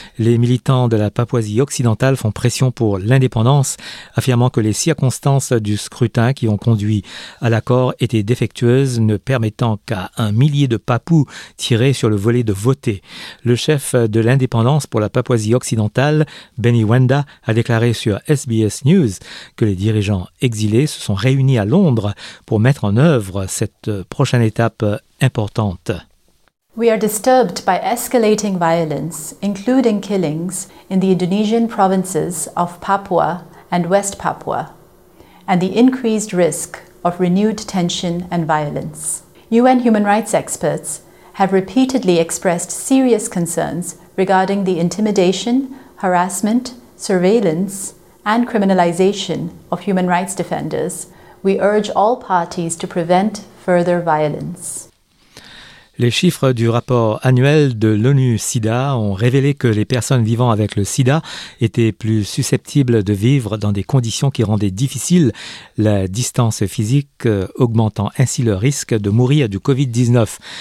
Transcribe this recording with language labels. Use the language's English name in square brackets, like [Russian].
[French] Les militants de la Papouasie-Occidentale font pression pour l'indépendance, affirmant que les circonstances du scrutin qui ont conduit à l'accord étaient défectueuses, ne permettant qu'à un millier de papous tirés sur le volet de voter. Le chef de l'indépendance pour la Papouasie-Occidentale, Benny Wenda, a déclaré sur SBS News que les dirigeants exilés se sont réunis à Londres pour mettre en œuvre cette prochaine étape importante. [English] We are disturbed by escalating violence, including killings in the Indonesian provinces of Papua and West Papua, and the increased risk of renewed tension and violence. UN human rights experts have repeatedly expressed serious concerns regarding the intimidation, harassment, surveillance, and criminalization of human rights defenders. We urge all parties to prevent further violence. [French] Les chiffres du rapport annuel de l'ONU SIDA ont révélé que les personnes vivant avec le SIDA étaient plus susceptibles de vivre dans des conditions qui rendaient difficile la distance physique, augmentant ainsi le risque de mourir du COVID-19.